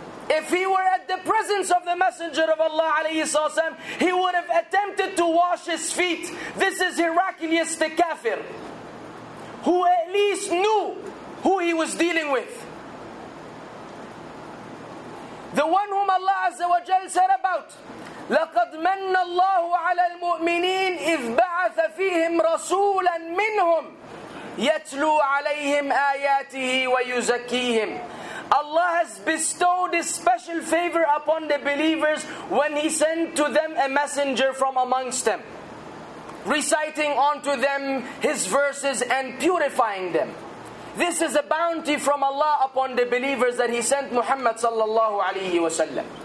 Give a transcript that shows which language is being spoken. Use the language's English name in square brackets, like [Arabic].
[English] If he were at the presence of the Messenger of Allah alayhi salam, he would have attempted to wash his feet. This is Heraclius the Kafir, who at least knew who he was dealing with. The one whom Allah Azza wa Jal said about, [Arabic] لَقَدْ مَنَّ اللَّهُ عَلَى الْمُؤْمِنِينَ إِذْ بَعَثَ فِيهِمْ رَسُولًا مِّنْهُمْ يَتْلُو عَلَيْهِمْ آيَاتِهِ وَيُزَكِّيهِمْ. [English] Allah has bestowed His special favor upon the believers when He sent to them a messenger from amongst them, reciting unto them His verses and purifying them. This is a bounty from Allah upon the believers that He sent Muhammad sallallahu alayhi wa sallam.